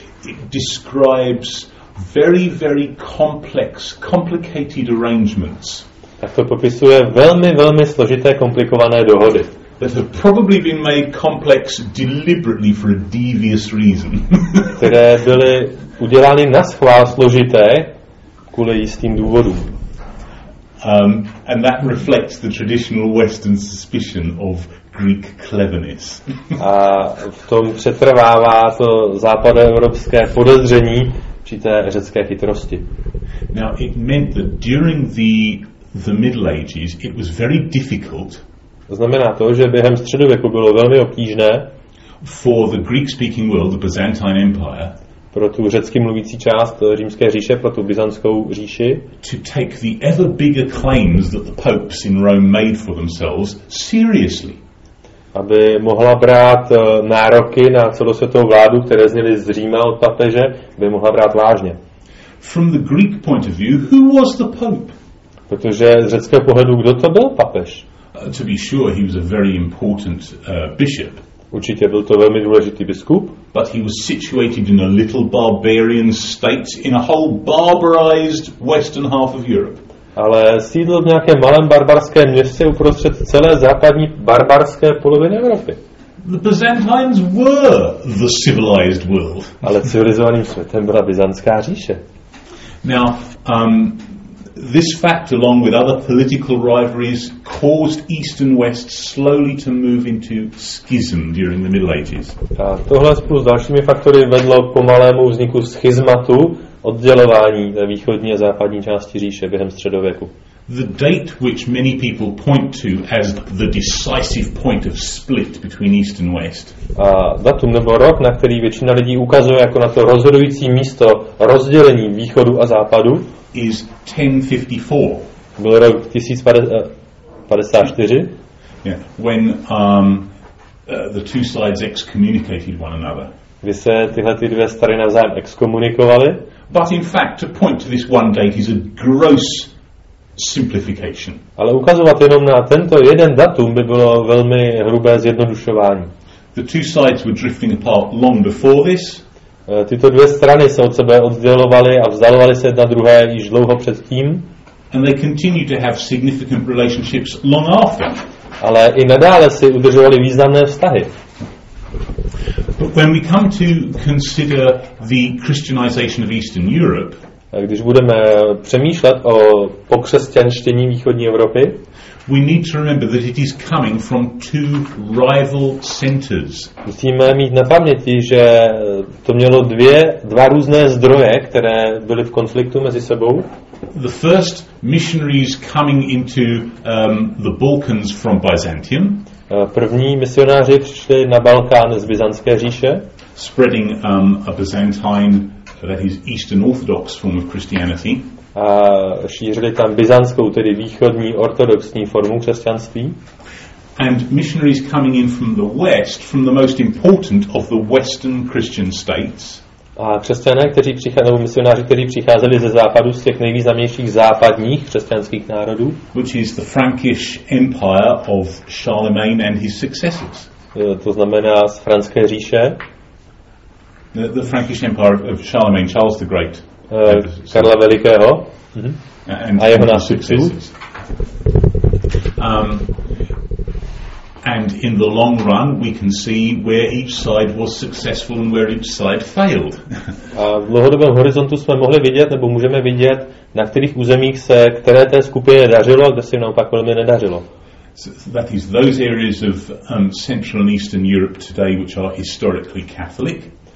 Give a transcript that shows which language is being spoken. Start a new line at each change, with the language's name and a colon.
English: It describes very, very complex, complicated arrangements.
Czech: Tak to popisuje velmi, velmi složité, komplikované dohody.
English: That have probably been made complex deliberately for a devious reason.
Czech: Které byly udělány na schvál složité kvůli jistým důvodům.
English: And that reflects the traditional Western suspicion of Greek cleverness.
Czech: A v tom přetrvává to západoevropské podezření při té řecké chytrosti.
English: Now it meant that during the Middle Ages it was very difficult.
Czech: Znamená to, že během středověku bylo velmi obtížné
English: for the Greek speaking world, the Byzantine Empire,
Czech: pro tu řecky mluvící část římské říše, pro tu byzantskou říši,
English: to take the ever bigger claims that the popes in Rome made for themselves seriously.
Czech: Aby mohla brát nároky na celosvětovou vládu, které zněly z Říma od papeže, by mohla brát vážně.
English: From the Greek point of view, who was the pope?
Czech: Protože z řeckého pohledu, kdo to byl papež?
English: To be sure, he was a very important bishop.
Czech: Určitě byl to velmi důležitý biskup.
English: But he was situated in a little barbarian state in a whole barbarized western half of Europe.
Czech: Ale sídlil v nějakém malém barbarském městě uprostřed celé západní barbarské poloviny Evropy.
English: The Byzantines were the civilized world.
Czech: Ale civilizovaným světem byla byzantská říše.
English: Now, this fact, along with other political rivalries, caused East and West slowly to move into schism during the Middle Ages.
Czech: A tohle spolu s dalšími faktory vedlo k pomalému vzniku schizmatu, oddělování východní a západní části říše během středověku.
English: The date which many people point to as the decisive point of split between East and West.
Czech: A datum nebo rok, na který většina lidí ukazuje jako na to rozhodující místo rozdělení východu a západu,
English: is 1054.
Czech: Byl rok 1054.
English: Yeah, when the two sides excommunicated one another.
Czech: Kdy se tyhle ty dvě strany navzájem exkomunikovaly.
English: But in fact, to point to this one date is a gross simplification.
Czech: Ale ukazovat jenom na tento jeden datum by bylo velmi hrubé zjednodušování.
English: The two sides were drifting apart long before this.
Czech: Tyto dvě strany se od sebe oddělovaly a vzdalovaly se jedna druhé již dlouho předtím.
English: And they continued to have significant relationships long after.
Czech: Ale i nadále si udržovaly významné vztahy.
English: But when we come to consider the Christianization of Eastern Europe,
Czech: když budeme přemýšlet o pokřesťanštění východní Evropy,
English: we need to remember that it is coming from two rival centers.
Czech: Musíme mít na paměti, že to mělo dva různé zdroje, které byly v konfliktu mezi sebou.
English: The first missionaries coming into the Balkans from Byzantium.
Czech: První misionáři přišli na Balkán z Byzantské říše,
English: spreading a Byzantine, that is Eastern Orthodox form of Christianity.
Czech: A šířili tam byzantskou, tedy východní ortodoxní formu křesťanství.
English: And missionaries coming in from the west, from the most important of the Western Christian states.
Czech: A křesťané, misionáři, kteří přicházeli ze západu, z těch nejvýznamnějších západních křesťanských národů,
English: which is the Frankish Empire of Charlemagne and his successors.
Czech: To znamená z Franské říše.
English: The Frankish Empire of Charlemagne, Charles the Great.
Czech: Karla Velikého. A jeho nástupců.
English: And in the long run we can see where each side was successful and where each side failed.
Czech: A v dlouhodobém horizontu jsme mohli vidět, nebo můžeme vidět, na kterých územích se které té skupině dařilo a kde se naopak velmi nedařilo.
English: So that is those areas of Central and Eastern Europe today which are historically Catholic.